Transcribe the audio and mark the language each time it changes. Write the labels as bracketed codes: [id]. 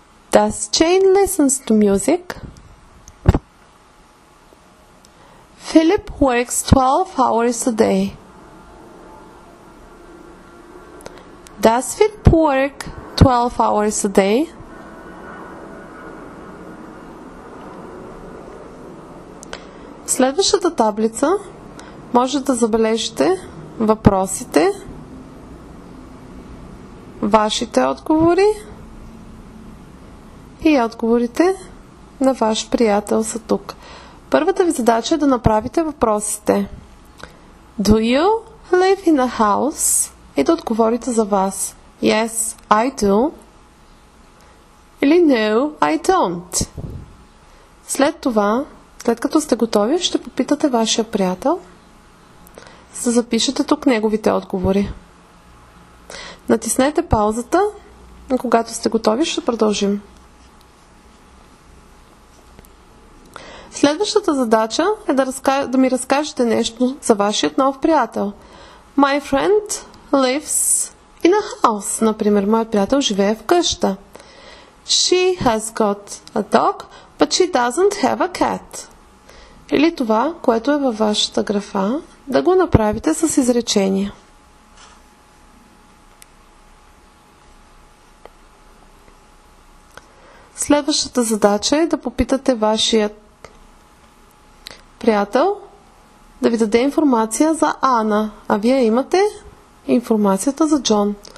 [en] Does Jane listens to music? Philip works 12 hours a day. Does Philip work 12 hours a day? [bg] В следващата таблица може да забележите въпросите, вашите отговори и отговорите на ваш приятел са тук. Първата ви задача е да направите въпросите. [en] Do you live in a house? [bg] И да отговорите за вас. [en] Yes, I do. Или no, I don't. [bg] След това, след като сте готови, ще попитате вашия приятел да запишете тук неговите отговори. Натиснете паузата, но когато сте готови, ще продължим. Следващата задача е да ми разкажете нещо за вашият нов приятел. [en] My friend lives in a house. [bg] Например, моят приятел живее в къща. [en] She has got a dog, but she doesn't have a cat. [bg] Или това, което е във вашата графа, да го направите с изречение. Следващата задача е да попитате вашият приятел да ви даде информация за Ана, а вие имате информацията за Джон.